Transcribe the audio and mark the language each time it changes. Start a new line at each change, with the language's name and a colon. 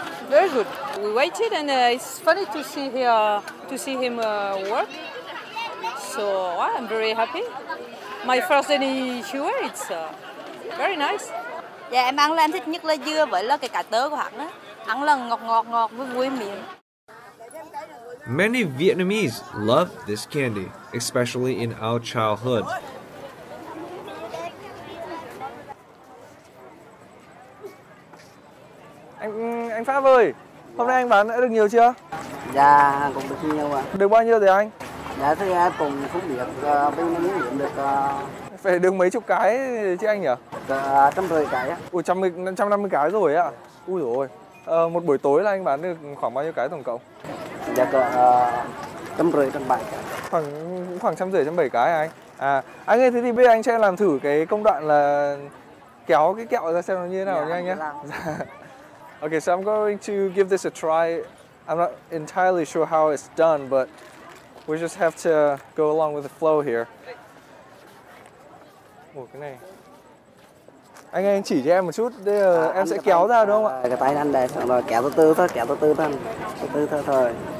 English: Very good. We waited, and it's funny to see here to see him work. So I'm very happy. My first day in Hue, it's very nice.
Vietnamese: Yeah, em ăn là em thích nhất là dưa với là cái cà tớ của hắn á. Ăn là ngọt ngọt ngọt với vui miệng.
English: Many Vietnamese love this candy, especially in our childhood.
Vietnamese: Anh Pháp ơi, hôm nay anh bán đã được nhiều chưa? Dạ, cũng được nhiều ạ. Được bao nhiêu rồi anh? Dạ, thì cũng không biết, bây giờ mới nhận được... Phải được mấy chục cái chứ anh nhỉ? Được 150 cái ạ. Ủa, 150 cái rồi ạ? Ui dồi ôi, một buổi tối là anh bán được khoảng bao nhiêu cái tổng cộng? Dạ, cỡ 150, 170 cái. Khoảng 150, 170 cái hả anh? À, anh ơi, thế thì bây giờ anh sẽ làm thử cái công đoạn là kéo cái kẹo ra xem nó như thế nào nha anh nhé.
English: Okay, so I'm going to give this a try. I'm not entirely sure how it's done, but we just have to go along with the flow here.
Vietnamese: Ủa, cái này. Anh chỉ cho em một chút, đây là em sẽ kéo ra đúng không ạ? Cái tay anh đây, xong rồi kéo từ từ thôi, kéo từ từ thôi, từ từ thôi thôi.